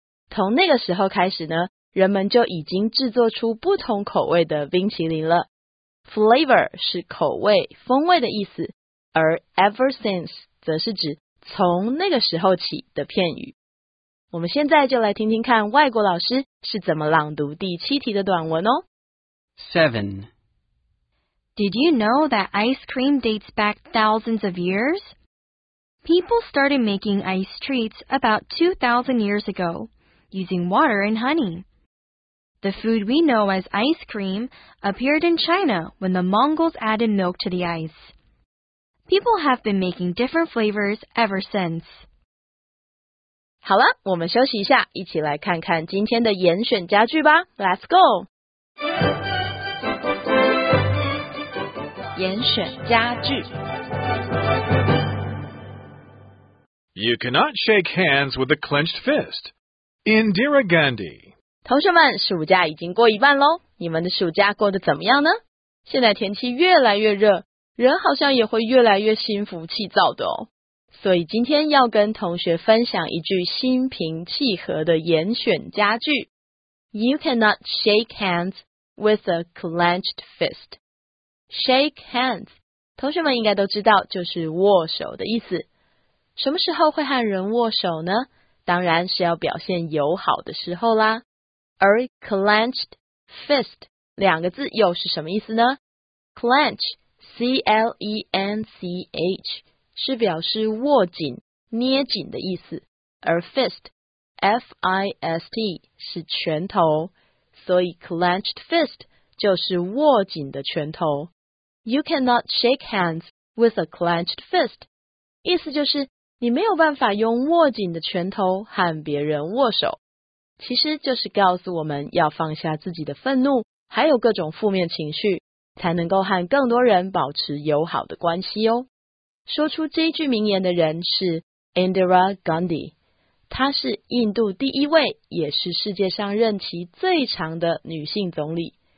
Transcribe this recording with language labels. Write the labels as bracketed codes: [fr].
[zh] 从那个时候开始呢，人们就已经制作出不同口味的冰淇淋了。 Flavor 是口味、风味的意思，而 ever since 则是指从那个时候起的片语。我们现在就来听听看外国老师是怎么朗读第七题的短文哦。 [en] 7. Did you know that ice cream dates back thousands of years? People started making ice treats about 2,000 years ago, using water and honey. The food we know as ice cream appeared in China when the Mongols added milk to the ice. People have been making different flavors ever since. [zh] 好了，我们休息一下，一起来看看今天的严选佳句吧。 [en] Let's go! [zh] 严选佳句。 [en] You cannot shake hands with a clenched fist. Indira Gandhi. [zh] 同学们，暑假已经过一半咯，你们的暑假过得怎么样呢？现在天气越来越热，人好像也会越来越心浮气躁的哦。所以今天要跟同学分享一句心平气和的严选佳句。 [en] You cannot shake hands with a clenched fist. [zh] Shake hands， 同学们应该都知道就是握手的意思。什么时候会和人握手呢？当然是要表现友好的时候啦。而 clenched fist 两个字又是什么意思呢？ clench C-L-E-N-C-H 是表示握紧、捏紧的意思，而 fist F-I-S-T 是拳头，所以 clenched fist 就是握紧的拳头。 [en] You cannot shake hands with a clenched fist. [zh] 意思就是你没有办法用握紧的拳头和别人握手，其实就是告诉我们要放下自己的愤怒，还有各种负面情绪，才能够和更多人保持友好的关系哦。说出这句名言的人是 Indira Gandhi， 她是印度第一位，也是世界上任期最长的女性总理。